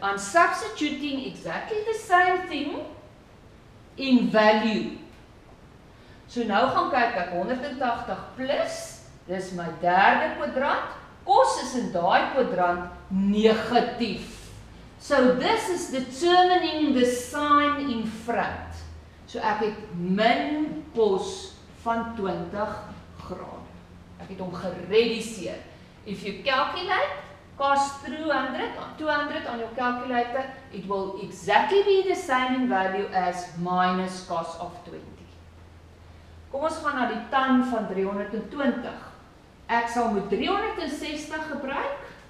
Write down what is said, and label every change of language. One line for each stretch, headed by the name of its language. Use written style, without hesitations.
English: I'm substituting exactly the same thing in value.
Afrikaans: So nou gaan kyk ek 180 plus, dis my derde kwadrant. Kos is in daai kwadrant negatief.
English: So this is determining the sign in front.
Afrikaans: So ek het min kos van 20 grade. Ek het hom gereduseer.
English: If you calculate cos 200 on your calculator, it will exactly be the same in value as minus cos of 20.
Afrikaans: Kom ons gaan na die tan van 320. Ek sal moet 360 gebruik.